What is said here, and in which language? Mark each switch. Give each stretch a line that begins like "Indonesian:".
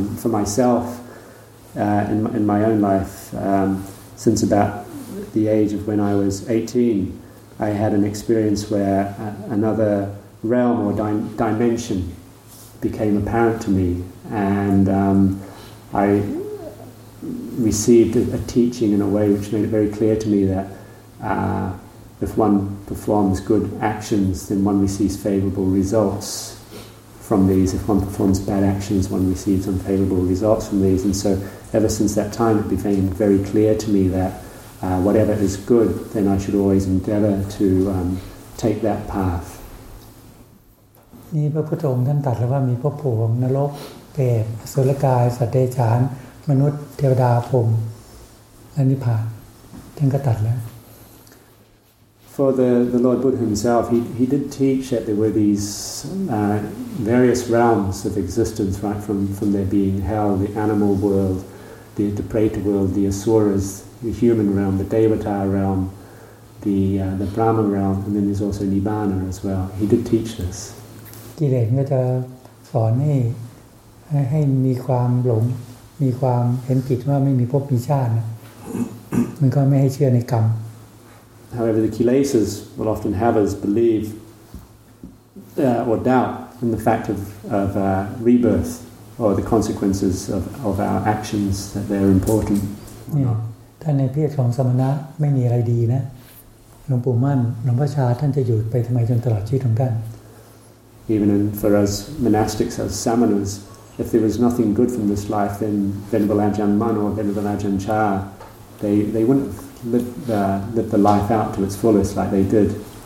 English: For myself, in my own life, since about the age of when I was 18, I had an experience where another realm or dimension became apparent to me, and I received a teaching in a way which made it very clear to me that if one performs good actions, then one receives favorable results from these. If one performs bad actions, one receives unfavorable results from these. And so ever since that time, it became very clear to me that whatever is good, then I should always endeavor to take that path.
Thai: นี่พระพุทธองค์ท่านตรัสแล้วว่ามีภพภูมินรกเปรตอสุรกายสัตว์เดรัจฉานมนุษย์เทวดาพรหมและนิพพานท่านก็ตรัสแล้ว
English: For the Lord Buddha himself, he did teach that there were these various realms of existence, right, from there being hell, the animal world, the Preta world, the Asuras, the human realm, the Devata realm, the Brahma realm, and then there's also Nibbana as well. He did teach this.
Thai: กิเลสก็จะสอนให้มีความหลงมีความเห็นผิดว่าไม่มีภพมีชาติมันก็ไม่ให้เชื่อในกรรม
English: However, the kilesas will often have us believe or doubt in the fact of rebirth or the consequences of our actions that they're important.
Thai: ท่านในเพียรของสมณะไม่มีอะไรดีนะหลวงปู่มั่นหลวงพ่อชาท่านจะอยู่ไปทำไมจนตลอดชีวิตของท่าน
English: Even in, for us monastics, as samanas, if there was nothing good from this life, then Venerable Ajahn Mun or Venerable Ajahn Chah they wouldn't have lived the life out to its fullest like they did.